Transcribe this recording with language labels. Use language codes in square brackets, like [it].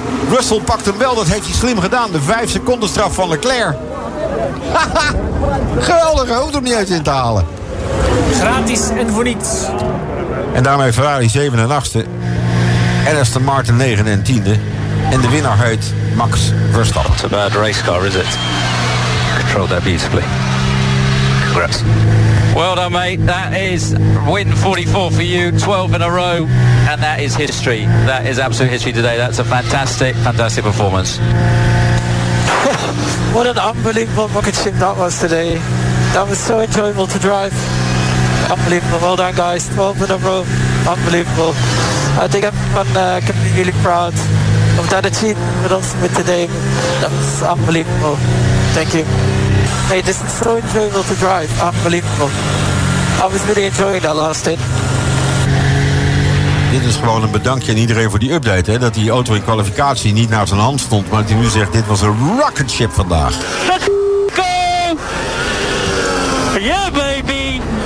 [nl] Russell pakt hem wel, dat heeft hij slim gedaan. De 5 seconden straf van Leclerc. Haha, geweldig, hoeft hem niet uit in te halen. Gratis en voor niets. En daarmee Ferrari 7 en 8e. En Aston Martin 9 en 10e. En de winnaar heet Max Verstappen. [en] Not a bad race car, is it? Controlled that beautifully. Congrats. Well done, mate. That is win 44 for you. 12 in a row. And that is history. That is absolute history today. That's a fantastic, fantastic performance. What an unbelievable rocket ship that was today. That was so enjoyable to drive. Unbelievable. Well done, guys. 12 in a row. Unbelievable. I think everyone can be really proud of that achievement, but also with today. That was unbelievable. Thank you. Hey, this is so enjoyable to drive. Unbelievable. I was really enjoying that last day. [nl] Dit is gewoon een bedankje aan iedereen voor die update. Hè? Dat die auto in kwalificatie niet naar zijn hand stond, maar dat hij nu zegt, dit was een [en] rocket ship [nl] vandaag. [en] Let's go! Yeah, baby!